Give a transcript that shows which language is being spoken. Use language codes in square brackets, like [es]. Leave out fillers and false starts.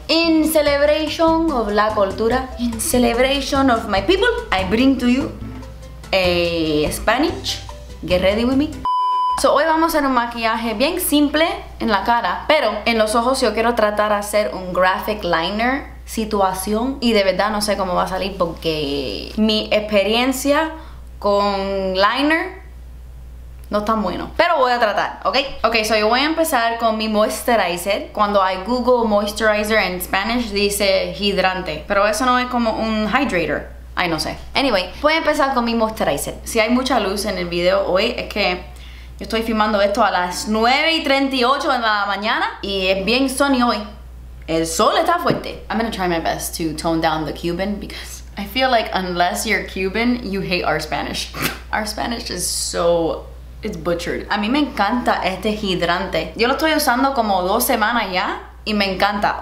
[en] In celebration of [es] la cultura, [en] in celebration of my people, I bring to you a Spanish. Get ready with me. [es] So hoy vamos a hacer un maquillaje bien simple en la cara, pero en los ojos yo quiero tratar de hacer un graphic liner situación, y de verdad no sé cómo va a salir porque mi experiencia con liner no tan bueno, pero voy a tratar, ¿ok? Ok, so yo voy a empezar con mi moisturizer. Cuando [en] I Google [es] moisturizer en Spanish dice hidrante, pero eso no es como un hydrator. Ay, no sé. Anyway, voy a empezar con mi moisturizer. Si hay mucha luz en el video hoy es que yo estoy filmando esto a las 9:38 de la mañana y es bien sunny hoy. El sol está fuerte. [en] I'm gonna try my best to tone down the Cuban because I feel like unless you're Cuban, you hate our Spanish. Our Spanish is so... it's butchered. [es] A mí me encanta este hidrante. Yo lo estoy usando como 2 semanas ya y me encanta.